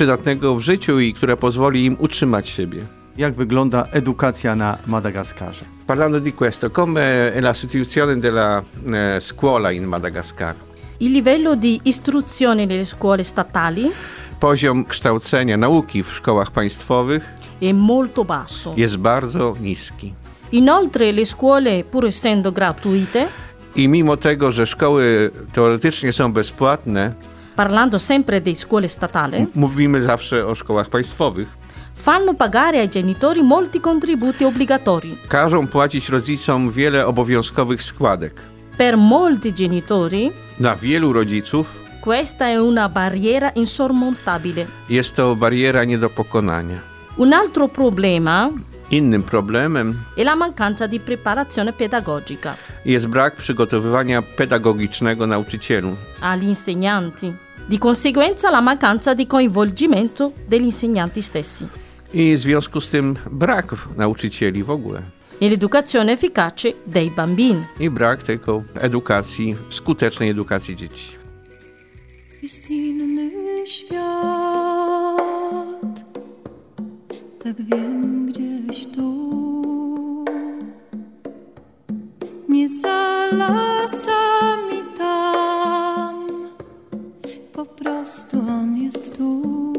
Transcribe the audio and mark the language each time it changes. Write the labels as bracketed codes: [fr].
[pl] Przydatnego w życiu i które pozwoli im utrzymać siebie. Jak wygląda edukacja na Madagaskarze? [it] Parlando di questo, come è la situazione della scuola in Madagascar? Il livello di istruzione nelle scuole statali? [pl] Poziom kształcenia, nauki w szkołach państwowych? [it] È molto basso. [pl] Jest bardzo niski. [it] Inoltre le scuole, pur essendo gratuite? [pl] I mimo tego, że szkoły teoretycznie są bezpłatne? [it] Parlando sempre di scuole statali? [pl] Mówimy zawsze o szkołach państwowych. [it] Fanno pagare ai genitori molti contributi obbligatori. [pl] Każą płacić rodzicom wiele obowiązkowych składek. [it] Per molti genitori. [pl] Dla wielu rodziców. [it] Questa è una barriera insormontabile. [pl] Jest to bariera nie do pokonania. [it] Un altro problema. [pl] Innym problemem. [it] È la mancanza di preparazione pedagogica. [pl] Jest brak przygotowywania pedagogicznego nauczycielu. [it] Agli insegnanti. Di conseguenza la mancanza di coinvolgimento degli insegnanti stessi. [pl] I w związku z tym brak nauczycieli w ogóle. [it] Nell'educazione efficace dei bambini. [pl] I brak tylko edukacji, skutecznej edukacji dzieci. Jest inny świat, tak wiem gdzieś tu, nie za lasami tam, po prostu on jest tu.